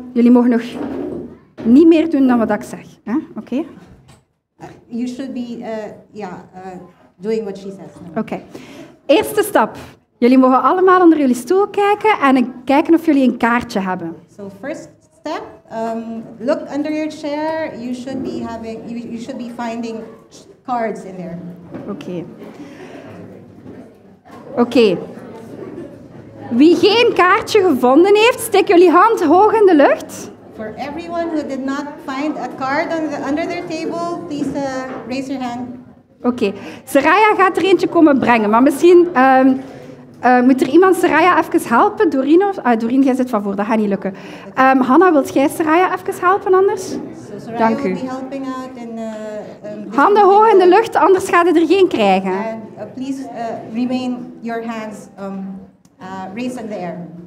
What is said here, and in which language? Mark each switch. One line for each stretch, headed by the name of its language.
Dutch: Jullie mogen nog niet meer doen dan wat ik zeg. Huh? Oké.
English: Okay. You should be doing what she says.
Dutch: No. Oké. Okay. Eerste stap. Jullie mogen allemaal onder jullie stoel kijken en kijken of jullie een kaartje hebben.
English: So first step, look under your chair. You should be having, you should be finding cards in there.
Dutch: Oké.
English: Okay.
Dutch: Wie geen kaartje gevonden heeft, steek jullie hand hoog in de lucht.
English: For everyone who did not find a card under their table, please raise your hand.
Dutch: Oké. Okay. Saraya gaat er eentje komen brengen, maar misschien moet er iemand Saraya even helpen? Doreen, of, Doreen, jij zit van voor, dat gaat niet lukken. Hanna, wilt jij Saraya even helpen anders?
English: So
Dutch: Dank u.
English: Will be helping out in,
Dutch: handen hoog in de lucht, anders gaat het er geen krijgen.
English: Please remain your hands raised in the air.